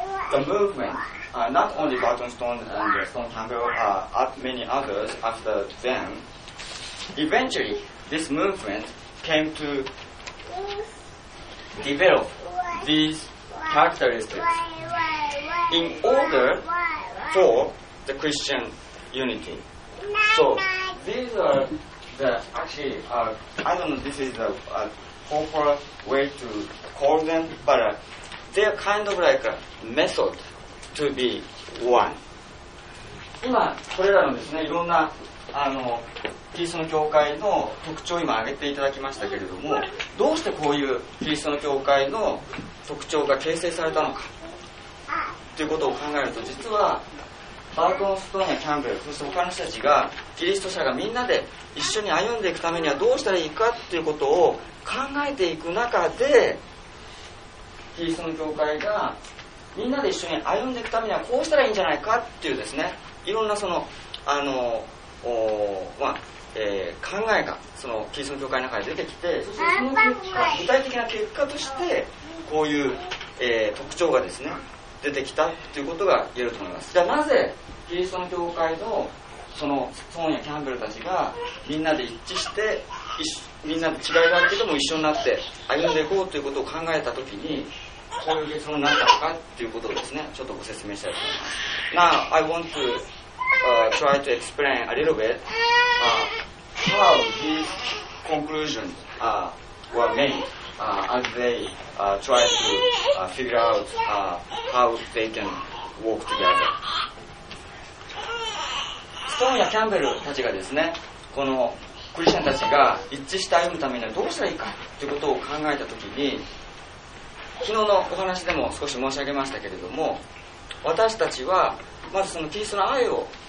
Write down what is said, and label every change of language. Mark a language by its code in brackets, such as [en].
[en] The movement, not only Barton Stone and Stone Campbell, but many others after them, eventually this movement came to develop these characteristics in order for the Christian unity. So these are the actually, I don't know if this is the proper way to call them, but they are kind of like a method to be one. [ja] 今これらのですね、いろんなキリストの教会の特徴を今挙げていただきましたけれども、どうしてこういうキリストの教会の特徴が形成されたのかということを考えると、実はバートン・ストーンやキャンベル、そして他の人たちがキリスト者がみんなで一緒に歩んでいくためにはどうしたらいいかということを考えていく中で、キリストの教会がみんなで一緒に歩んでいくためにはこうしたらいいんじゃないかっていうですね、いろんなその考えがそのキリストの教会の中で出てきて、そしてその結果、具体的な結果としてこういう、特徴がですね出てきたということが言えると思います。じゃあなぜキリストの教会のそのソーンやキャンベルたちがみんなで一致して、みんなで違いがあるけども一緒になって歩んでいこうということを考えたときに、こういう結論になったのかということをですねちょっとご説明したいと思います。 [en] Now I want toTry to explain a little bit how these conclusions were made as they try to figure out how they can work together. [ja] Stone やキャンベルたちがですね、このクリスチャンたちが一致して歩むためにはどうしたらいいかということを考えたときに、昨日のお話でも少し申し上げましたけれども、私たちはまずそのキリストの愛を